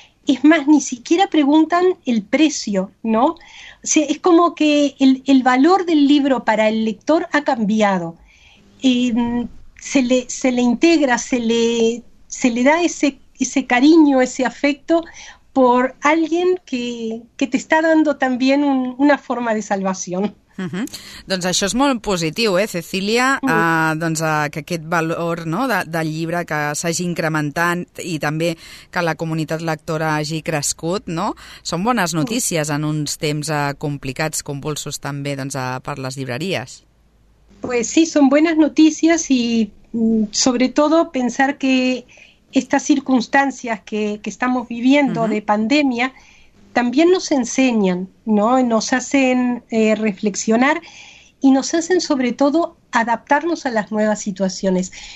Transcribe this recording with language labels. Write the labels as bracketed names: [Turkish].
[Spanish] Es más, ni siquiera preguntan el precio, ¿no? O sea, es como que el valor del libro para el lector ha cambiado. Se le integra, se le da ese cariño, ese afecto por alguien que te está dando también una forma de salvación. [Catalan] Doncs això és molt positiu, Cecília, doncs que aquest valor, no, del llibre que s'hagi incrementant i també que la comunitat lectora hagi crescut, no? Són bones notícies en uns temps complicats, convulsos també doncs per les llibreries. [Spanish] Pues sí, son buenas noticias y sobre todo pensar que estas circunstancias que estamos viviendo de pandemia también nos enseñan, ¿no? Nos hacen reflexionar y nos hacen sobre todo adaptarnos a las nuevas situaciones.